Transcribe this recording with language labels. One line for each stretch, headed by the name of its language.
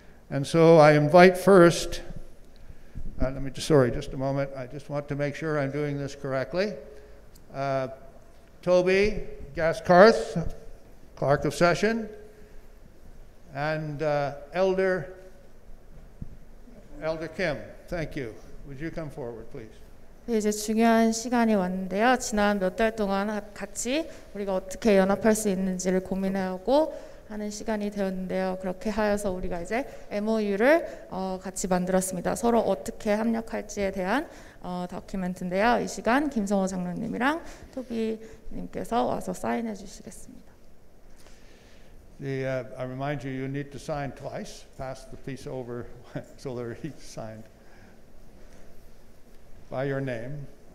English: And so I invite first, just a moment, I just want to make sure I'm doing this correctly. Toby Gaskarth, Clerk of Session, and Elder Kim, thank you. Would you come forward, please?
Korean: 네, 이제 중요한 시간이 왔는데요. 지난 몇 달 동안 같이 우리가 어떻게 연합할 수 있는지를 고민하고 하는 시간이 되었는데요. 그렇게 하여서 우리가 이제 MOU를 같이 만들었습니다. 서로 어떻게 협력할지에 대한 다큐멘트인데요. 이 시간 김성호 장로님이랑 토비님께서 와서 사인해 주시겠습니다.
English: I remind you, you need to sign twice, pass the piece over so they're each signed by your name.